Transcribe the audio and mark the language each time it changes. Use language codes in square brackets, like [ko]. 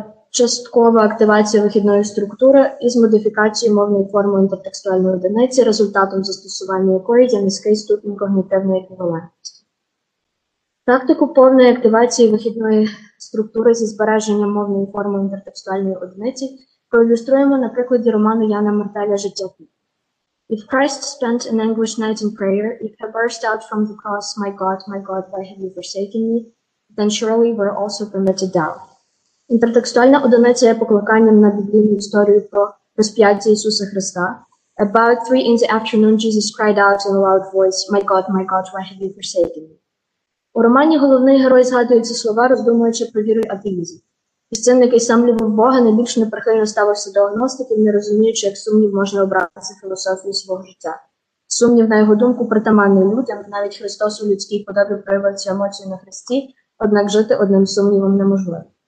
[uk] Часткова активація вихідної структури із модифікацією мовної форми інтертекстуальної одиниці, результатом застосування якої є низький ступінь когнітивної еквівалентності. Тактику повної активації вихідної структури зі збереженням мовної форми інтертекстуальної одиниці проілюструємо на прикладі роману Яна Мартеля «Життя Пі». [en] «If Christ spent an anguish night in prayer, if he burst out from the cross, my God, why have you forsaken me? Then surely we're also permitted doubt». [uk] Інтертекстуальна одиниця є покликанням на біблійну історію про розп'яття Ісуса Христа. [en] About three in the afternoon, Jesus cried out in a loud voice, my God, why have you forsaken me?» [uk] У романі головний герой згадує ці слова, роздумуючи про віру атеїзм. Істинник, який сам любив Бога, найбільш неприхильно ставився до агностиків, не розуміючи, як сумнів можна обратися філософію свого життя. Сумнів, на його думку, притаманний людям, навіть Христос у людській подобі проявив цю емоцію на Христі, однак жити одним сумнівом неможливо.